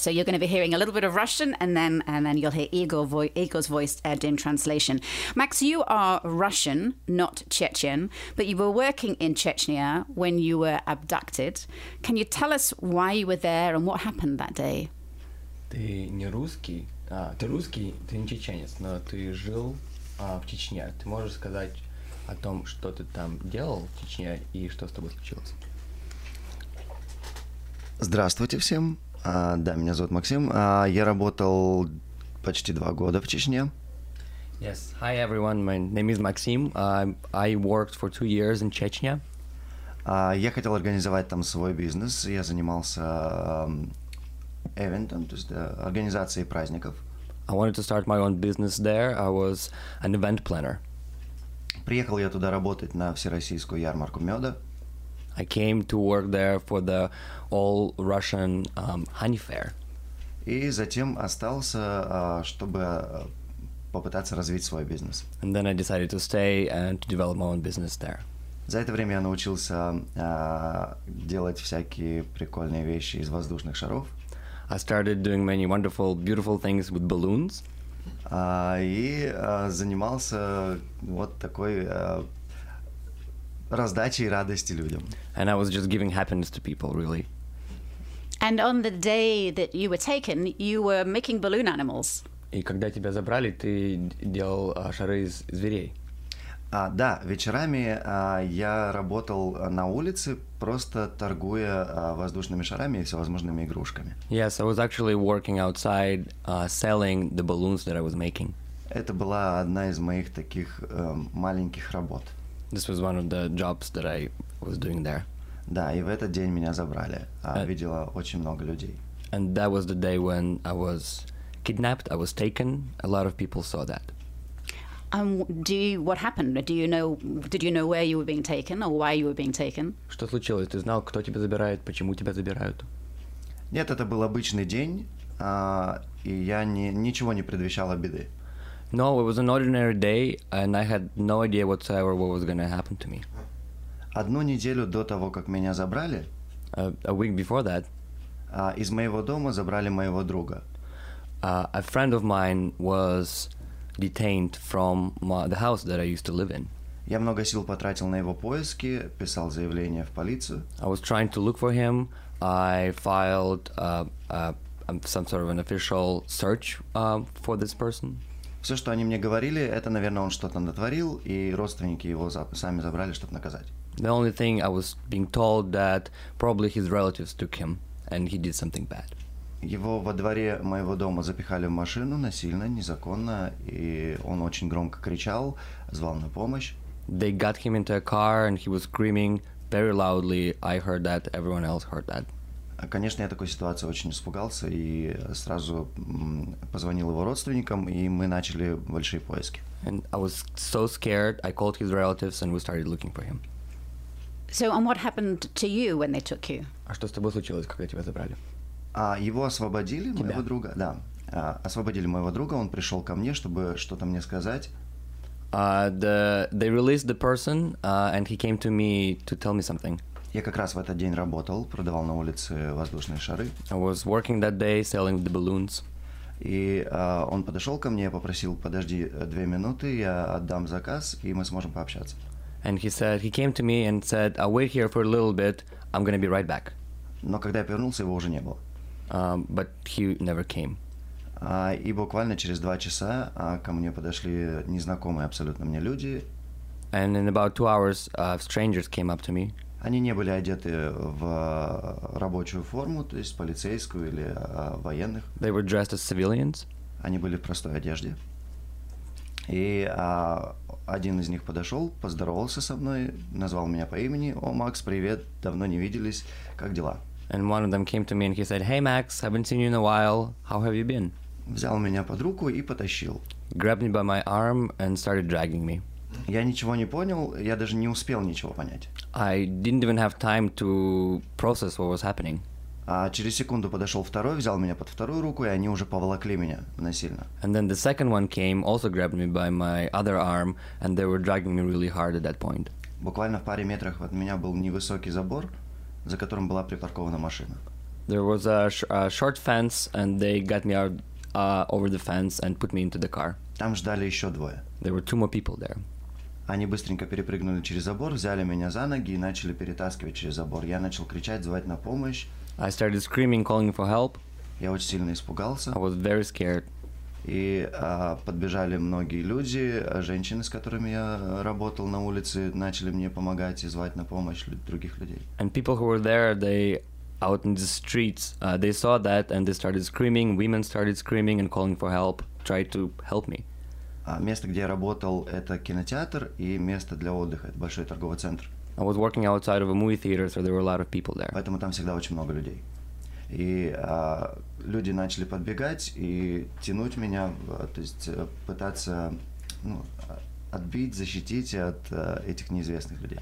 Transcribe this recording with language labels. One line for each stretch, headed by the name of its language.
English: So you're going to be hearing a little bit of Russian, and then you'll hear Igor's voice in translation. Max, you are Russian, not Chechen, but you were working in Chechnya when you were abducted. Can you tell us why you were there and what happened that day?
Russian: Ты не русский. А, ты русский, ты не чеченец, но ты жил в Чечне. Ты можешь сказать о том, что ты там делал в Чечне и что с тобой случилось? Здравствуйте всем. Да, меня зовут Максим. Я работал почти 2 года в Чечне.
English: Yes, hi everyone, my name is Maxim. I worked for 2 years in Chechnya.
Russian: Я хотел организовать там свой бизнес. Я занимался eventом, то есть организацией праздников.
English: I wanted to start my own business there. I was an event planner.
Russian: Приехал я туда работать на всероссийскую ярмарку меда.
English: I came to work there for the all Russian honey fair.
Russian: И затем остался, чтобы попытаться развить свой бизнес.
English: And then I decided to stay and to develop my own business there.
Russian: За это время я научился делать всякие прикольные вещи из воздушных шаров.
English: I started doing many wonderful, beautiful things with balloons.
Russian: Занимался вот такой раздачей радости людям.
English: And I was just giving happiness to people, really. And on the day that you were taken, you were making balloon animals.
Russian: И когда тебя забрали, ты делал шары из зверей. Да, вечерами я работал на улице, просто торгуя воздушными шарами и всевозможными игрушками.
English: Yes, I was actually working outside, selling the balloons that I was making.
Russian: Это была одна из моих таких маленьких работ.
English: This was one of the jobs that I was doing there.
Russian: Да, и в этот день меня забрали. Видела очень много людей.
English: And that was the day when I was kidnapped, I was taken. A lot of people saw that. What happened? Did you know where you were being taken or why you were being taken?
Russian: Что случилось? Ты знал, кто тебя забирает, почему тебя забирают? Нет, это был обычный день, и я ничего не предвещало беды.
English: No, it was an ordinary day, and I had no idea whatsoever what was going to happen to me.
Russian: Одну неделю до того, как меня забрали,
English: a week before that,
Russian: из моего дома забрали моего друга.
English: A friend of mine was detained from the house that I used to live in.
Russian: Я много сил потратил на его поиски, писал заявление в полицию.
English: I was trying to look for him. I filed some sort of an official search for this person.
Russian: Все, что они мне говорили, это, наверное, он что-то натворил, и родственники его сами забрали, чтобы наказать.
English: The only thing I was being told that probably his relatives took him, and he did something bad.
Russian: Его во дворе моего дома запихали в машину насильно, незаконно, и он очень громко кричал, звал на помощь.
English: They got him into a car, and he was screaming very loudly. I heard that, everyone else heard that.
Russian: Конечно, я такой ситуации очень испугался и сразу позвонил его родственникам, и мы начали большие поиски.
English: And I was so scared, I called his relatives, and we started looking for him. So, and what happened to you when they took you?
Russian: А что с тобой случилось, когда тебя забрали? Его освободили, тебя? Моего друга, да. Освободили моего друга, он пришел ко мне, чтобы что-то мне сказать.
English: They released the person, and he came to me to tell me something.
Russian: Я как раз в этот день работал, продавал на улице воздушные шары.
English: I was working that day selling the balloons.
Russian: И он подошел ко мне, попросил, подожди две минуты, я отдам заказ, и мы сможем пообщаться.
English: And he said, he came to me and said, I'll wait here for a little bit, I'm gonna be right back.
Russian: Но когда я вернулся, его уже не было.
English: But he never came.
Russian: И буквально через два часа ко мне подошли незнакомые абсолютно мне люди.
English: And in about 2 hours, strangers came up to me.
Russian: Они не были одеты в рабочую форму, то есть полицейскую или военных.
English: They were dressed as civilians.
Russian: Они были в простой одежде. И один из них подошел, поздоровался со мной, назвал меня по имени. О, Макс, привет, давно не виделись, как дела?
English: And one of them came to me and he said, Hey, Max, haven't seen you in a while, how have you been?
Russian: Взял меня под руку и потащил.
English: Grabbed me by my arm and started dragging me.
Russian: Я ничего не понял, я даже не успел ничего понять.
English: I didn't even have time to process what was happening.
Russian: А через секунду подошел второй, взял меня под вторую руку, и они уже поволокли меня насильно.
English: And then the second one came, also grabbed me by my other arm, and they were dragging me really hard at that point.
Russian: Буквально в паре метрах от меня был невысокий забор, за которым была припаркована машина.
English: There was a short fence, and they got me out over the fence and put me into the car.
Russian: Там ждали еще двое.
English: There were two more people there.
Russian: Они быстренько перепрыгнули через забор, взяли меня за ноги и начали перетаскивать через забор. Я начал кричать, звать на помощь.
English: I started screaming, calling for help.
Russian: Я очень сильно испугался.
English: I was very scared.
Russian: И подбежали многие люди, женщины, с которыми я работал на улице, начали мне помогать и звать на помощь других людей.
English: And people who were there, they out in the streets, they saw that and they started screaming. Women started screaming and calling for help, tried to help me.
Russian: Место, где я работал, это кинотеатр и место для отдыха, это большой торговый центр.
English: I was working outside of a movie theater, so there were a lot of people there.
Russian: Поэтому там всегда очень много людей. И люди начали подбегать и тянуть меня, то есть пытаться отбить, защитить от этих неизвестных людей.